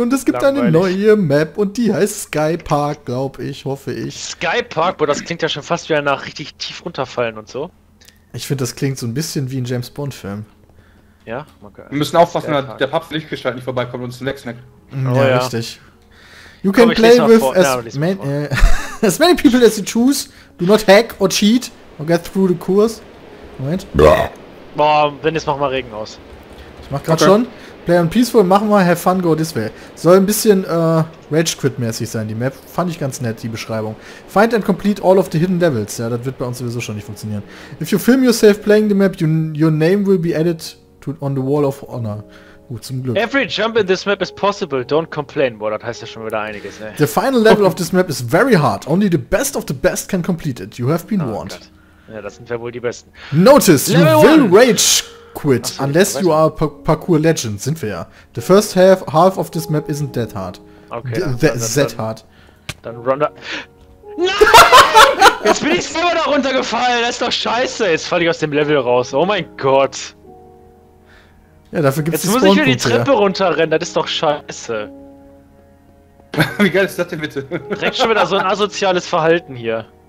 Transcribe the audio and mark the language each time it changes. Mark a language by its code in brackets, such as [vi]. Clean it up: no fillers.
[de] Und es gibt eine neue Map und die heißt Sky Park, glaube ich, hoffe ich. Sky Park? Boah, das klingt ja schon fast wieder nach richtig tief runterfallen und so. Ich finde, das klingt so ein bisschen wie ein James Bond Film. Ja, okay. Wir müssen aufpassen, dass der Papst Lichtgestalt nicht vorbeikommt und uns den Snack. Ja, richtig. [en] You can play with as many people as you choose. Do not hack or cheat or get through the course. [de] Moment. Blah. Boah, Dennis, mach mal Regen aus. Ich mach grad schon. [en] Play on Peaceful, machen wir Have Fun, Go This Way. [de] Soll ein bisschen Rage Quit-mäßig sein, die Map. Fand ich ganz nett, die Beschreibung. [en] Find and complete all of the hidden levels. [de] Ja, das wird bei uns sowieso schon nicht funktionieren. [en] If you film yourself playing the map, your name will be added to on the Wall of Honor. [de] Gut, zum Glück. [en] Every jump in this map is possible. Don't complain. [de] Boah, das heißt ja schon wieder einiges, ey. [en] The final level of this map is very hard. Only the best of the best can complete it. You have been warned. God. [de] Ja, das sind ja wohl die besten. [en] Notice, you will rage quit, unless you are Parkour Legend, [de] sind wir ja. [en] The first half of this map isn't that hard. [de] Hard. Dann runter. Nein! Jetzt bin ich selber da runtergefallen, das ist doch scheiße. Jetzt falle ich aus dem Level raus, oh mein Gott. Ja, dafür gibt's jetzt die Spawn-Punkte. Jetzt muss ich wieder die Treppe runterrennen, das ist doch scheiße. Wie geil ist das denn bitte? Direkt schon wieder so ein asoziales Verhalten hier.